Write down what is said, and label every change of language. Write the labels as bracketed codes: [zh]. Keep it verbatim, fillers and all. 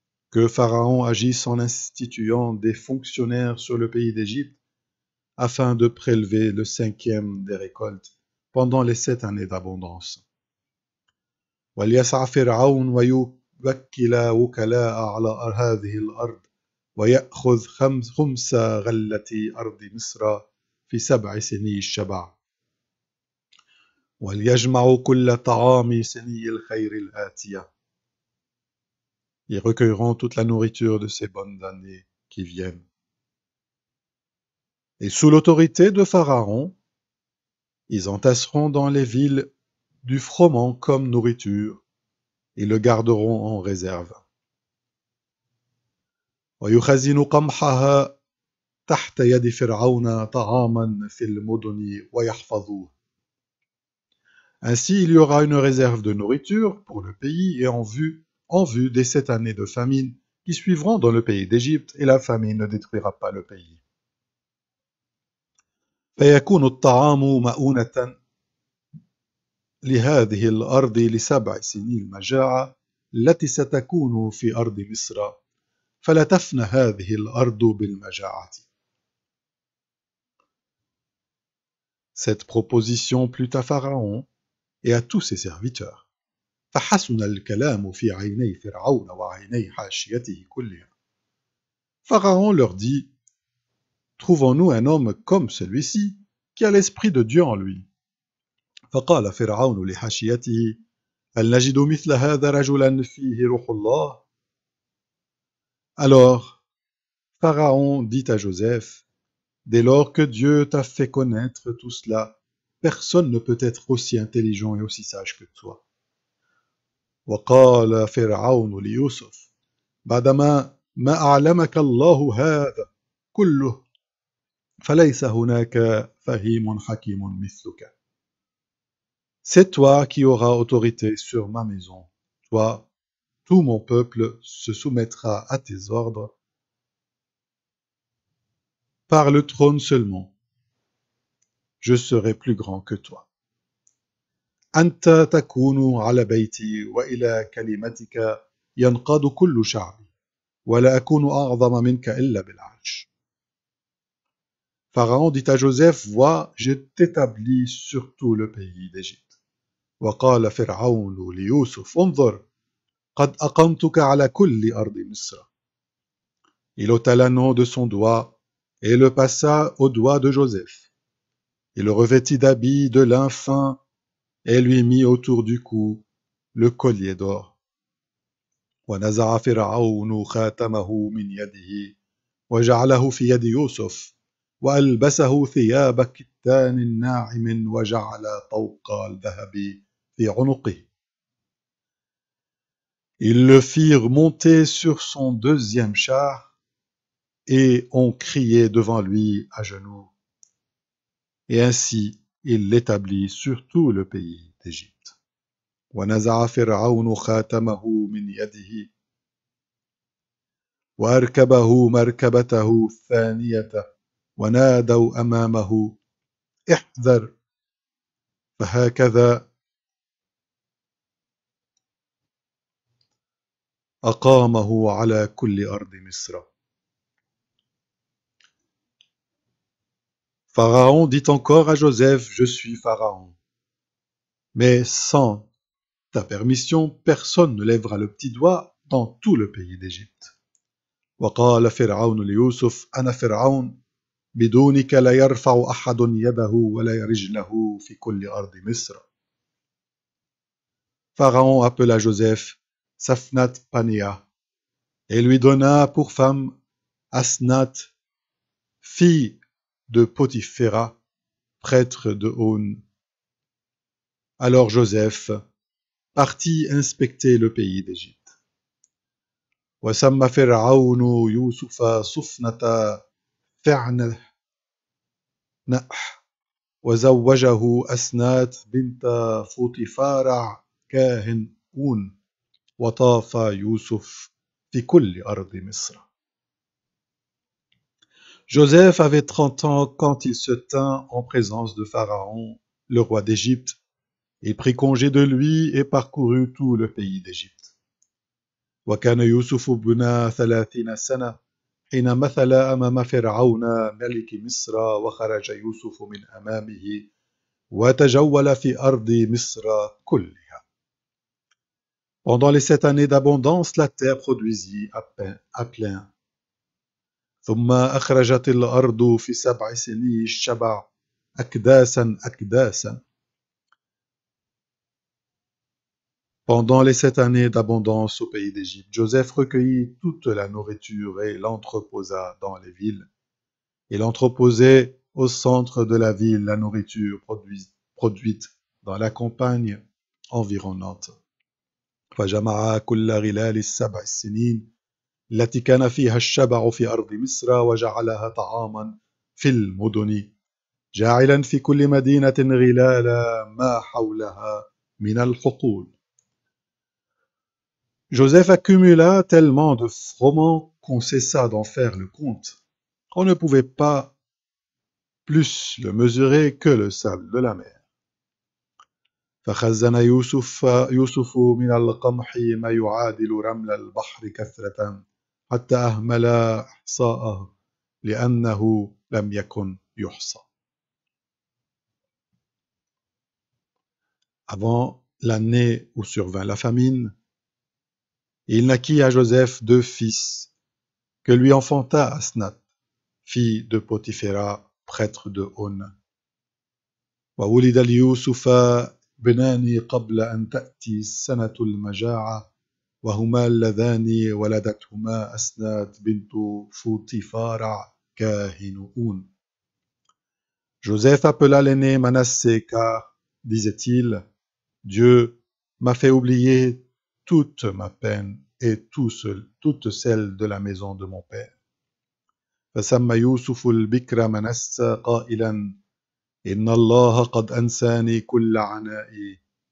[fr] Que Pharaon agisse en instituant des fonctionnaires sur le pays d'Égypte afin de prélever le cinquième des récoltes pendant les sept années d'abondance. [ar] وليسعى فرعون ويوكل وكلاء على هذه الأرض ويأخذ خمس غلة أرض مصر في سبع سني الشبع. وليجمع كل طعام سني الخير الآتية. [fr] Ils recueilleront toute la nourriture de ces bonnes années qui viennent. Et sous l'autorité de Pharaon, ils entasseront dans les villes du froment comme nourriture et le garderont en réserve. [ar] ويخزن قمحها تحت يد فرعون طعاما في المدن ويحفظوه. [fr] Ainsi, il y aura une réserve de nourriture pour le pays et en vue, en vue des sept années de famine qui suivront dans le pays d'Égypte, et la famine ne détruira pas le pays. [ar] فيكون الطعام مؤونة لهذه الأرض لسبع سنين المجاعة التي ستكون في أرض مصر، فلا تفنى هذه الأرض بالمجاعة. [fr] Cette proposition plut à Pharaon et à tous ses serviteurs. [ar] فحسن الكلام في عيني فرعون وعيني حاشيته كلها. [fr] Pharaon leur dit: Trouvons-nous un homme comme celui-ci qui a l'esprit de Dieu en lui. [ar] فقال فرعون لحاشيته: هل نجد مثل هذا رجلا فيه روح الله. [fr] Alors Pharaon dit à Joseph: Dès lors que Dieu t'a fait connaître tout cela, personne ne peut être aussi intelligent et aussi sage que toi. [ar] وقال فرعون ليوسف بعدما ما أعلمك الله هذا كله فليس هناك فهيم حكيم مثلك. [fr] C'est toi qui auras autorité sur ma maison. Toi, tout mon peuple se soumettra à tes ordres par le trône seulement. Je serai plus grand que toi. [ar] أنت تكون على بيتي وإلى كلمتك ينقاد كل شعبي ولا أكون أعظم منك إلا بالعرش. [fr] Pharaon dit à Joseph: Vois, je t'établis sur tout le pays d'Égypte. [ar] وقال فرعون ليوسف: انظر قد أقمتك على كل أرض مصر. [fr] Il ôta l'anon de son doigt et le passa au doigt de Joseph. Il le revêtit d'habits de lin fin et lui mit autour du cou le collier d'or. [ar] ونزع فرعون خاتمه من يده وجعله في يد يوسف وألبسه ثياب كتان ناعم وجعل طوق الذهب في عنقه. [fr] Ils le firent monter sur son deuxième char et ont crié devant lui à genoux. Et ainsi il l'établit sur tout le pays d'Égypte. [ar] ونزع فرعون خاتمه من يده وأركبه مركبته الثانية ونادوا أمامه احذر فهكذا أقامه على كل أرض مصر. [fr] Pharaon dit encore à Joseph, je suis Pharaon. Mais sans ta permission, personne ne lèvera le petit doigt dans tout le pays d'Égypte. [ar] وقال فرعون ليوسف أنا فرعون بدونك لا يرفع أحد يده ولا رجله في كل أرض مصر. [fr] Pharaon appela Joseph Safnat-Panéa et lui donna pour femme Asnath, fille de Potiphéra, prêtre de On. Alors Joseph partit inspecter le pays d'Égypte. [ar] وسمى فرعون يوسف صفنة فعنح وزوجه أسنات بنت فوطيفار كاهن أون وطاف يوسف في كل أرض مصر. [fr] Joseph avait trente ans quand il se tint en présence de Pharaon, le roi d'Égypte, et prit congé de lui et parcourut tout le pays d'Égypte. [ar] وكان يوسف بن ثلاثين سنة حين مثل أمام فرعون ملك مصر وخرج يوسف من أمامه وتجول في أرض مصر كلها. [fr] Pendant les sept années d'abondance, la terre produisit à plein, à plein. [ar] ثم أخرجت الأرض في سبع سني الشبع أكداسا أكداسا. [fr] Pendant les sept années d'abondance au pays d'Égypte, Joseph recueillit toute la nourriture et l'entreposa dans les villes. Il entreposait au centre de la ville la nourriture produite, produite dans la campagne environnante. [ar] فجمع كل غلال السبع السنين التي كان فيها الشبع في أرض مصر وجعلها طعاما في المدن جاعلا في كل مدينة غلالا ما حولها من الحقول. [fr] Joseph accumula tellement de froment qu'on cessa d'en faire le compte. On ne pouvait pas plus le mesurer que le sable de la mer. [ar] فخزن يوسف يوسف من القمح ما يعادل رمل البحر كثرة حتى أهمل إحصاءه لأنه لم يكن يحصى. [fr] Avant l'année où survint la famine, il naquit à Joseph deux fils, que lui enfanta Asnath, fille de Potiphéra, prêtre de On. [ar] وولد ليوسف بنان قبل أن تأتي السنة المجاعة وهما اللذان ولدتهما أسنات بنت فوطيفار كاهن أون. [fr] Joseph appela l'aîné Manassé car, disait-il, Dieu m'a fait oublier toute ma peine et tout seul, toute celle de la maison de mon père. [ar] فسمى يوسف البكر منسى قائلا إن الله قد أنساني كل عنائي.